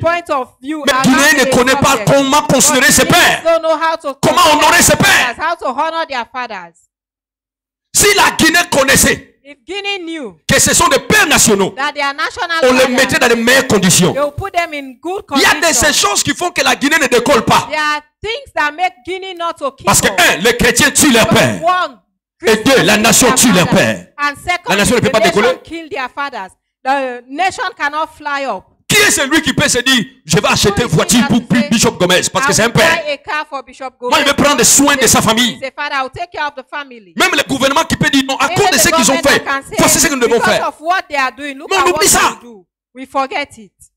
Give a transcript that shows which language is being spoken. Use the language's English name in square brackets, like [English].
[French] Mais Guinée ne connaît pas comment considérer ses pères. Comment honorer ses pères. [English] How to honor their fathers. [French] Si la Guinée connaissait [English] if Guinée knew [French] que ce sont des pères nationaux, [English] that they are national [French] on les mettait dans les meilleures conditions. [English] They will put them in good conditions. [French] Il y a de ces choses qui font que la Guinée ne décolle pas. [English] There are things that make Guinée not to keep [French] parce que, un, les chrétiens tuent leurs pères. Et deux, la nation tue leurs pères. La nation ne peut pas décoller. [English] Kill their fathers. The nation cannot fly up. [French] Qui est celui qui peut se dire, je vais acheter une voiture pour Bishop Gomez, parce que c'est un père. Moi, je vais prendre soin de sa famille. Même le gouvernement qui peut dire, non, à cause de ce qu'ils ont fait, voici ce que nous devons faire. Mais on oublie ça. [English] We forget it.